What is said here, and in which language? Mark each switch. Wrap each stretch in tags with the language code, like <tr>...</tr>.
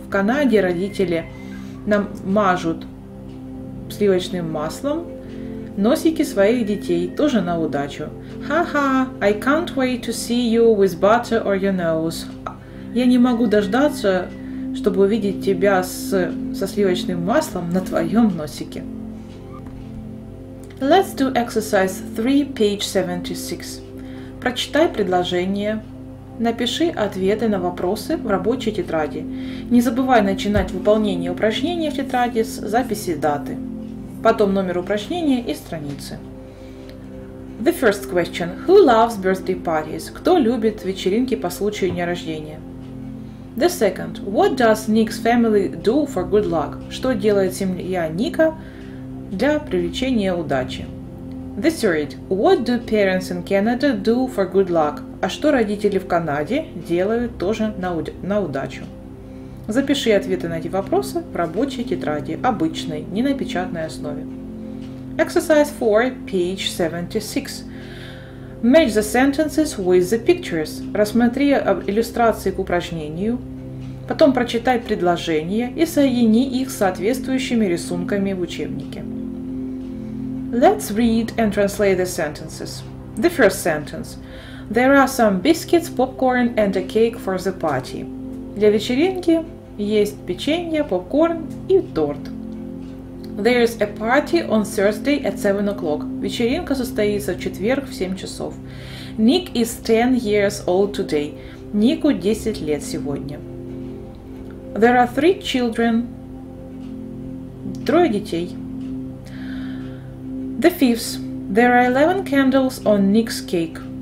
<ru>В Канаде родители нам мажут сливочным маслом носики своих детей тоже на удачу.</ru> <en>Ха-ха, I can't wait to see you with butter on your nose.</en> <ru>Я не могу дождаться, чтобы увидеть тебя со сливочным маслом на твоем носике.</ru> <en>Let's do exercise 3, page 76.</en> <ru>Прочитай предложение. Напиши ответы на вопросы в рабочей тетради. Не забывай начинать выполнение упражнения в тетради с записи даты. Потом номер упражнения и страницы.</ru> <en>The first question. Who loves birthday parties?</en> <ru>Кто любит вечеринки по случаю дня рождения?</ru> <en>The second. What does Nick's family do for good luck?</en> <ru>Что делает семья Ника для привлечения удачи?</ru> <en>The third. What do parents in Canada do for good luck?</en> <ru>А что родители в Канаде делают тоже на удачу? Запиши ответы на эти вопросы в рабочей тетради, обычной, не на печатной основе.</ru> <en>Exercise 4, page 76. Match the sentences with the pictures.</en> <ru>Рассмотри иллюстрации к упражнению. Потом прочитай предложения и соедини их с соответствующими рисунками в учебнике.</ru> <en>Let's read and translate the sentences. The first sentence. There are some biscuits, popcorn and a cake for the party.</en> <ru>Для вечеринки есть печенье, попкорн и торт.</ru> <en>There is a party on Thursday at 7 o'clock.</en> <ru>Вечеринка состоится в четверг в 7 часов.</ru> <en>Nick is 10 years old today.</en> <ru>Нику 10 лет сегодня.</ru> <en>There are three children.</en> <ru>Трое детей.</ru> <en>The fifth. There are 11 candles on Nick's cake.</en>